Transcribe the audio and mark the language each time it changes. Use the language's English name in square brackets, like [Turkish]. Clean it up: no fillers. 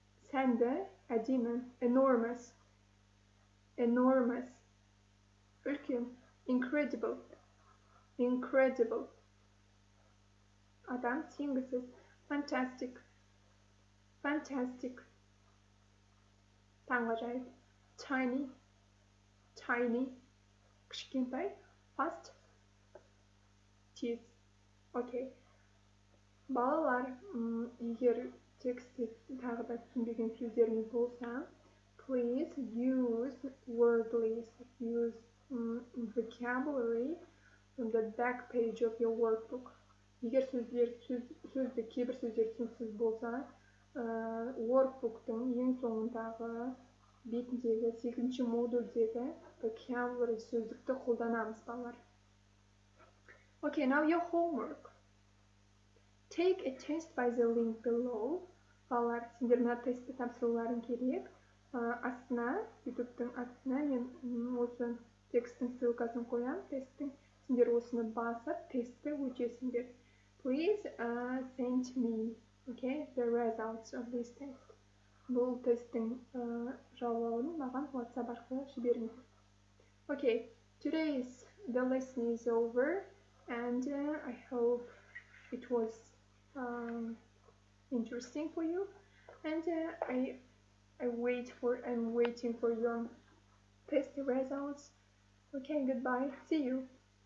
[English] Sen de әдемі, enormous, enormous, үлкен, incredible, incredible, [Kazakh] адам сенгісіз, [English] fantastic, fantastic, таңғажайып, tiny, tiny, кішкентай, fast, тез, okay. [Kazakh] Балалар, егер текстте тағы да түсінбеген сөздеріңіз болса, [English] please use word list, use vocabulary from the back page of your workbook. [Kazakh] Егер сөзді кейбір сөздер түсініксіз болса, workbook-тың ең соңындағы бетіндегі 8-ші модульдегі vocabulary сөздікті қолданамыз, балалар. [English] Okay, now your homework. Take a test by the link below. [Kazakh] Балалар, сендер мына тестті тапсыруларың керек. Астына, YouTube-тың астына мен осы тексттің ссылкасын қоямын. Тесттің, сендер осыны басып, тестті өтесіңдер. [English] Please send me, okay, the results of this test. [Kazakh] Бұл тесттің жауабын маған WhatsApp арқылы жіберіңдер. [English] Okay, today's the lesson is over and I hope it was interesting for you, and I'm waiting for your test results. Okay, goodbye, see you.